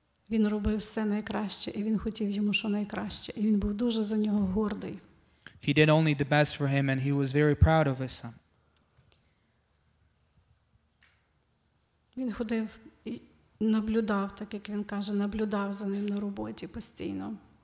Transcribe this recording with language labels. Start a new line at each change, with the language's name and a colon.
Ukrainian: Він робив все найкраще, і він хотів йому що найкраще, і він був дуже за нього гордий.
English: He did only the best for him, and he was very proud of his son.
Ukrainian: Він ходив і наблюдав, так як він каже, наблюдав за ним на роботі постійно.